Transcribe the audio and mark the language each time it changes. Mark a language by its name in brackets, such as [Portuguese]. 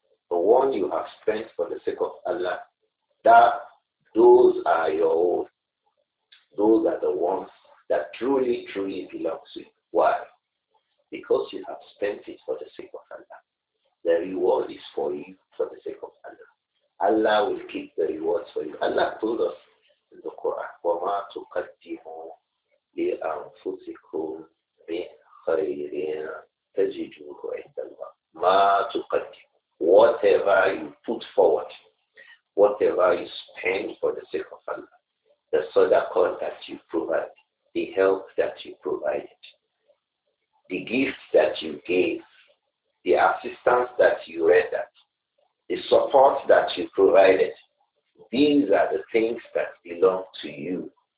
[English] The one you have spent for the sake of Allah, that those are your own. Those are the ones that truly, truly belong to you. Why? Because you have spent it for the sake of Allah. The reward is for you for the sake of Allah. Allah will keep the rewards for you. Allah told us in the Quran, [Arabic] وَمَا تُقَدِّمُوا لِأَنفُسِكُمْ مِنْ خَيْرٍ تَجِدُوهُ عِنْدَ اللَّهِ. مَا تُقَدِّمُوا. [English] Whatever you put forward, whatever you spend for the sake of Allah, the sadaqah that you provide, the help that you provided, the gift that you gave, the assistance that you rendered, the support that you provided, these are the things that belong to you.